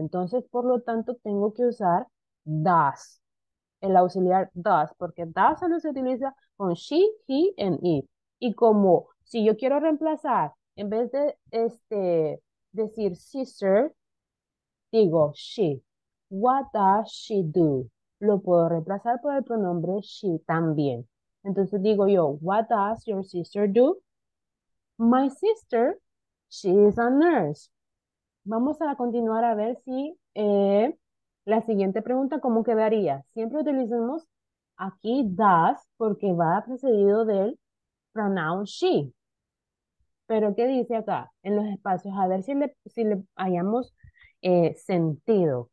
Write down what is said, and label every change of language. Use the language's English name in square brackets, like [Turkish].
[Spanish] Entonces, por lo tanto, tengo que usar does, el auxiliar does, porque does solo se utiliza con she, he, and it. Y como, si yo quiero reemplazar, en vez de decir sister, digo she, [English] what does she do? [Spanish] Lo puedo reemplazar por el pronombre she también. Entonces, digo yo, [English] what does your sister do? My sister, she is a nurse. [Spanish] Vamos a continuar a ver si la siguiente pregunta, ¿cómo quedaría? Siempre utilizamos aquí does porque va precedido del pronoun she. Pero, ¿qué dice acá? En los espacios, a ver si le hayamos sentido.